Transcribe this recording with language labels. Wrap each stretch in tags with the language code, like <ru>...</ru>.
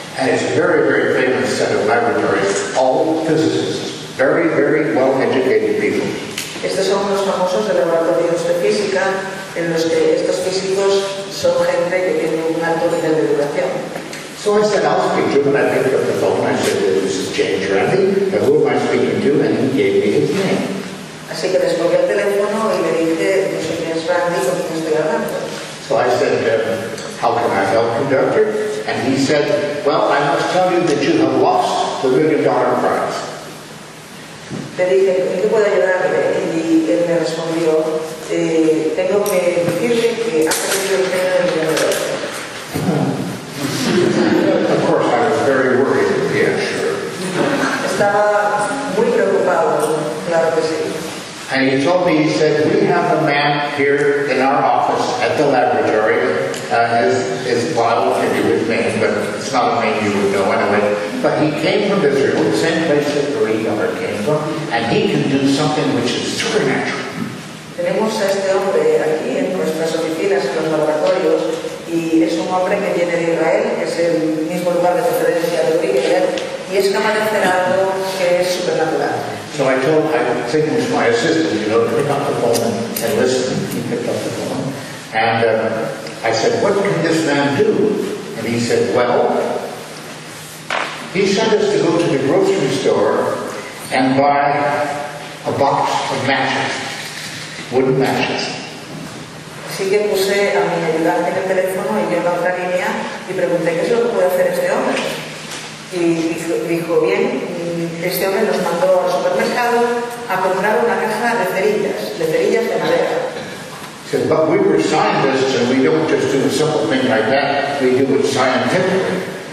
<en>And it's a very, very famous set of laboratories, all physicists, very, very well-educated people.</en> <es>Estos son los famosos de laboratorios de física, en los que estos físicos son gente que tiene un alto nivel de educación.</es> <en>So I said, I'll speak to him, and I picked up the phone, I said, this is James Randi, and who am I speaking to, and he gave me his name.</en> <es>Así que les cogí el teléfono y le dije, yo soy James Randi, ¿con quién estoy hablando?</es> <en>So I said, how can I help, conductor? And he said, well, I must tell you that you have lost the million-dollar prize.</en> <es>Le dije, ¿en qué puedo ayudarle? Y él me respondió, tengo que decirle que ha perdido el premio del millón de dólares.</es> <en>Of course, I was very worried, yeah, sure.</en> <es>Estaba muy preocupado, claro que sí.</es> <en>And he told me, he said, we have a man here in our office at the laboratory. His well, I won't give you his name, but it's not a name you would know anyway. But he came from Israel, the same place that Marie Miller came from, and he can do something which is supernatural.</en> <es>Tenemos a este hombre aquí en nuestras oficinas, en los laboratorios, y es un hombre que viene de Israel, que es el mismo lugar de referencia de Miller, y es capaz de hacer algo que es supernatural.</es> <en>So I said to my assistant, you know, pick up the phone and listen. He picked up the phone. And I said, what can this man do? And he said, well, he sent us to go to the grocery store and buy a box of matches, wooden matches.</en> <es>Así que puse a mi ayudante en el teléfono y yo en la otra línea y pregunté qué es lo que puede hacer este hombre. Y dijo, bien, este hombre nos mandó al supermercado a comprar una caja de cerillas de madera.</es> <en>Said, but we were scientists and we don't just do a simple thing like that, we do it</en>